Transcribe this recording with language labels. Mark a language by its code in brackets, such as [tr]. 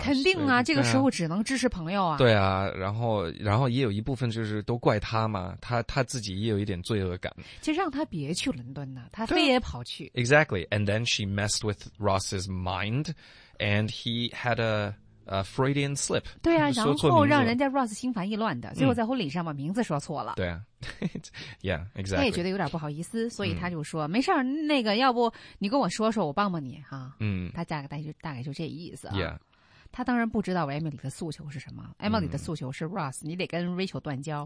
[zh] 肯定啊，这个时候只能支持朋友啊。对啊，然后也有一部分就是都怪他嘛，他自己也有一点罪恶感。就让他别去伦敦呢、啊、他非也跑去。 [en] Exactly, and then she messed with Ross's mind. And he had a Freudian slip. [zh] 对啊，然后让人家 Ross 心烦意乱的，最后在婚礼上把名字说错了。对啊， [en] Yeah, exactly. [zh] 他也觉得有点不好意思，所以他就说：“没事儿，那个要不你跟我说说，我帮帮你哈。” 他大概就这意思、啊。 [en] Yeah. [zh] 他当然不知道 Emily 的诉求是什么。Emily 的诉求是 Ross， 你得跟 Rachel 断交。